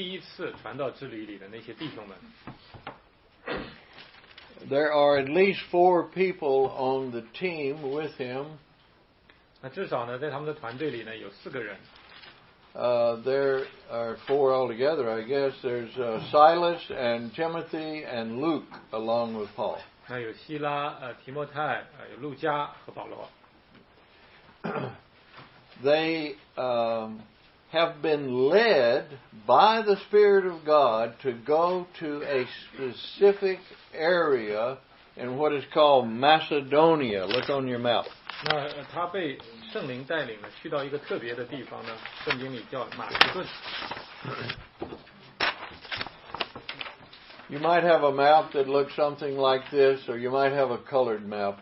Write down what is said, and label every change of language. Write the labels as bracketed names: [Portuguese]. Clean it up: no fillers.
[Chinese] 他们本来的目的呢，是想去兼顾第一次传道之旅里的那些弟兄们。 [English] There are at least four people on the team with him. [Chinese] 那至少呢，在他们的团队里呢，有四个人。 [English] There are four altogether, I guess. There's Silas and Timothy and Luke along with Paul. [Chinese] 还有希拉、提摩太、有路加和保罗。 [English] They have been led by the Spirit of God to go to a specific area in what is called Macedonia. Look on your map. [Chinese] 那他被圣灵带领了去到一个特别的地方呢，圣经里叫马其顿。 [English] You might have a map that looks something like this, or you might have a colored map.